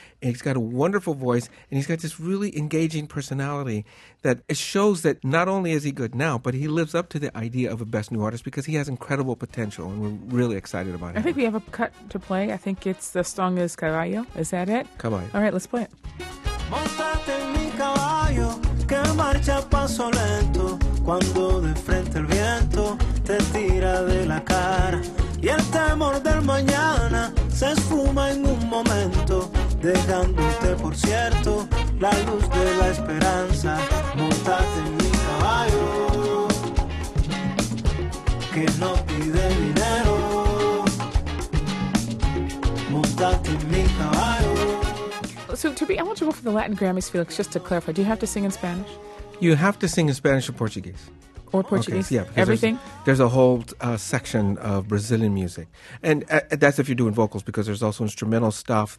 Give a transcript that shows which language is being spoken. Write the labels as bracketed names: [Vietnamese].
[English] And he's got a wonderful voice, and he's got this really engaging personality that it shows that not only is he good now, but he lives up to the idea of a best new artist because he has incredible potential, and we're really excited about him. I think we have a cut to play. I think it's the song is Caballo. Is that it? Come on. All right, let's play it. [Spanish] Montate mi caballo, que marcha paso lento, cuando de frente el viento te tira de la cara y el temor del mañana se esfuma en un momento dejándote por cierto la luz de la esperanza. Montate en mi caballo que no pide dinero. Montate en mi caballo. [English] So to be eligible for the Latin Grammys, Felix, just to clarify, do you have to sing in Spanish? You have to sing in Spanish or Portuguese. Or Portuguese. Okay, yeah, everything? There's a whole section of Brazilian music. And that's if you're doing vocals, because there's also instrumental stuff.